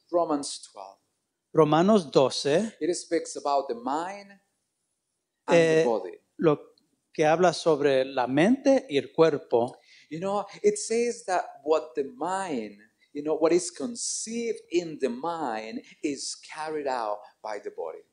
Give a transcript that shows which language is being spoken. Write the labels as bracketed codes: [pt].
[en] Romans 12. [es] Romanos 12. [en] It speaks about the mind and the body. [es] Lo que habla sobre la mente y el cuerpo. [en] You know, it says that what the mind, you know, what is conceived in the mind is carried out by the body.